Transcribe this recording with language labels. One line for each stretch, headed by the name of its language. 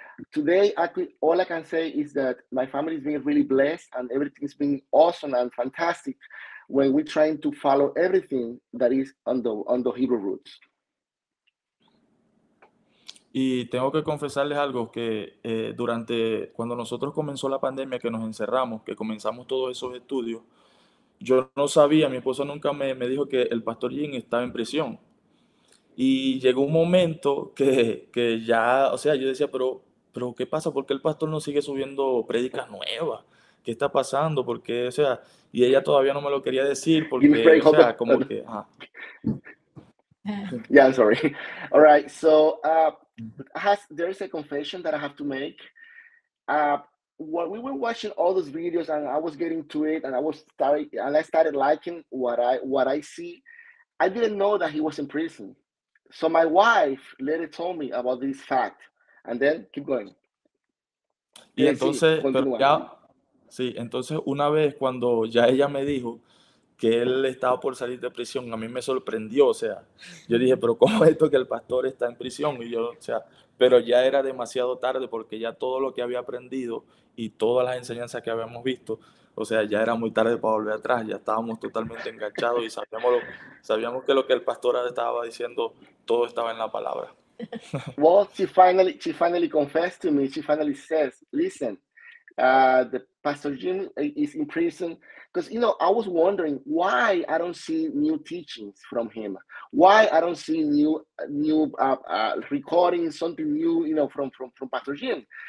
English: Today, all I can say is that my family's been really blessed and everything's been awesome and fantastic when we're trying to follow everything that is on the Hebrew roots.
Spanish: Y tengo que confesarles algo, que durante, cuando nosotros comenzó la pandemia, que nos encerramos, que comenzamos todos esos estudios, yo no sabía, mi esposa nunca me dijo que el pastor Jin estaba en prisión. Y llegó un momento que ya, o sea, yo decía, pero ¿qué pasa? ¿Por qué el pastor no sigue subiendo prédicas nuevas? ¿Qué está pasando? Porque, o sea, y ella todavía no me lo quería decir porque, o sea, como que, ajá.
English: Yeah, I'm sorry. All right, so there is a confession that I have to make. While we were watching all those videos and I was getting to it and I started liking what I see, I didn't know that he was in prison. So my wife later told me about this fact. And then keep going.
Spanish: Y entonces, sí, pero ya, sí, entonces una vez cuando ya ella me dijo que él estaba por salir de prisión, a mí me sorprendió, o sea, yo dije, pero ¿cómo es esto que el pastor está en prisión? Y yo, o sea, pero ya era demasiado tarde porque ya todo lo que había aprendido y todas las enseñanzas que habíamos visto, o sea, ya era muy tarde para volver atrás, ya estábamos totalmente enganchados y sabíamos que lo que el pastor estaba diciendo, todo estaba en la palabra.
English: Well, she finally confessed to me. She finally says, listen, the Pastor Jim is in prison. Because, you know, I was wondering why I don't see new teachings from him. Why I don't see new recordings, something new, you know, from Pastor Jim.